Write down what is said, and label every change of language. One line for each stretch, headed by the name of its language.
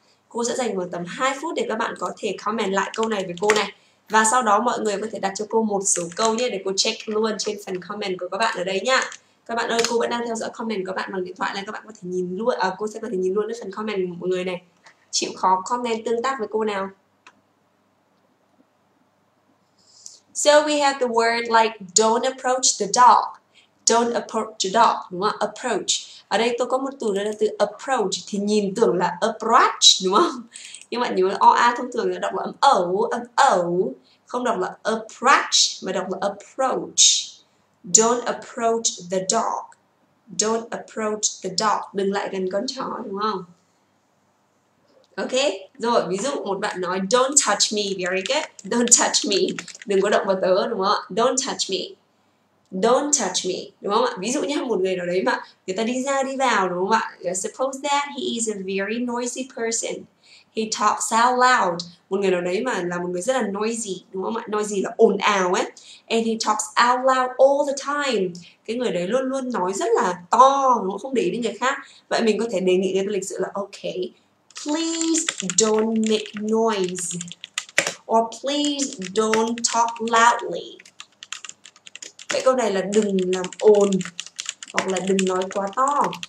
Vietnamese: Cô sẽ dành khoảng tầm 2 phút để các bạn có thể comment lại câu này với cô này. Và sau đó mọi người có thể đặt cho cô một số câu nhé để cô check luôn trên phần comment của các bạn ở đây nhá. Các bạn ơi, cô vẫn đang theo dõi comment của các bạn bằng điện thoại này, các bạn có thể nhìn luôn à, cô sẽ có thể nhìn luôn cái phần comment của mọi người này. Chịu khó comment tương tác với cô nào.
English: So we have the word like don't approach the dog. Don't approach the dog,
Vietnamese: đúng không?
English: Approach.
Vietnamese: Ở đây tôi có một từ đó là từ approach thì nhìn tưởng là approach đúng không? Nhưng mà nhớ là OA thông thường là đọc là âm ấu, không đọc là approach mà đọc là approach.
English: Don't approach the dog. Don't approach the dog.
Vietnamese: Đừng lại gần con chó, đúng không? Ok, rồi ví dụ một bạn nói
English: don't touch me, very good. Don't touch me.
Vietnamese: Đừng có động vào tớ, đúng không ạ? Don't touch me.
English: Don't touch me,
Vietnamese: đúng không ạ? Ví dụ nhé, một người nào đấy mà người ta đi ra đi vào, đúng không ạ?
English: Suppose that he is a very noisy person. He talks out loud.
Vietnamese: Một người nào đấy mà là một người rất là noisy, đúng không ạ? Noisy là ồn ào ấy.
English: And he talks out loud all the time.
Vietnamese: Cái người đấy luôn luôn nói rất là to, đúng không để ý đến người khác. Vậy mình có thể đề nghị người ta lịch sự là ok,
English: please don't make noise. Or please don't talk loudly.
Vietnamese: Vậy câu này là đừng làm ồn hoặc là đừng nói quá to.